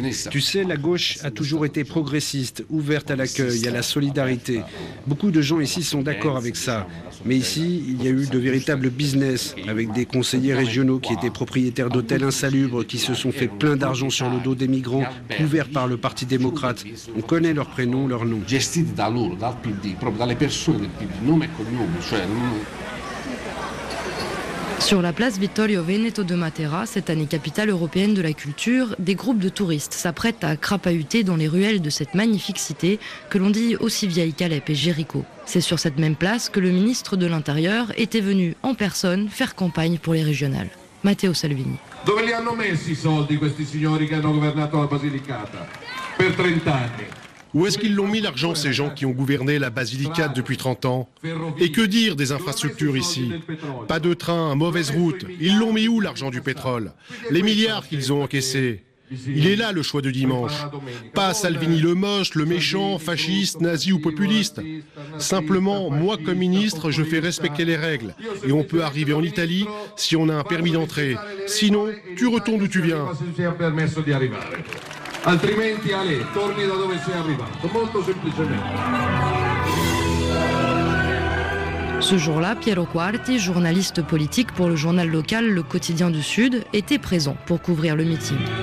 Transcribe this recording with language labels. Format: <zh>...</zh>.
<fr>Tu sais, la gauche a toujours été progressiste, ouverte à l'accueil, à la solidarité. Beaucoup de gens ici sont d'accord avec ça. Mais ici, il y a eu de véritables business, avec des conseillers régionaux qui étaient propriétaires d'hôtels insalubres, qui se sont fait plein d'argent sur le dos des migrants, couverts par le Parti démocrate. On connaît leurs prénoms, leurs noms.</fr> <it>Gestiti da loro, dal PD, proprio dalle persone del PD, nome e cognome, cioè.</it> <fr>Sur la place Vittorio Veneto de Matera, cette année capitale européenne de la culture, des groupes de touristes s'apprêtent à crapahuter dans les ruelles de cette magnifique cité que l'on dit aussi vieille qu'Alep et Jéricho. C'est sur cette même place que le ministre de l'Intérieur était venu en personne faire campagne pour les régionales. Matteo Salvini.</fr> <it>Dove li hanno messi i soldi questi signori che hanno governato la Basilicata per 30 anni?</it> <fr>Où est-ce qu'ils l'ont mis l'argent, ces gens qui ont gouverné la Basilicate depuis 30 ans? Et que dire des infrastructures ici? Pas de train, mauvaise route. Ils l'ont mis où, l'argent du pétrole? Les milliards qu'ils ont encaissés. Il est là, le choix de dimanche. Pas Salvini le moche, le méchant, fasciste, nazi ou populiste. Simplement, moi comme ministre, je fais respecter les règles. Et on peut arriver en Italie si on a un permis d'entrée. Sinon, tu retournes d'où tu viens.</fr> <it>Altrimenti, Ale, torni da dove sei arrivato, molto semplicemente.</it> <fr>Ce jour-là, Piero Quarti, journaliste politique pour le journal local Le Quotidien du Sud, était présent pour couvrir le meeting.</fr>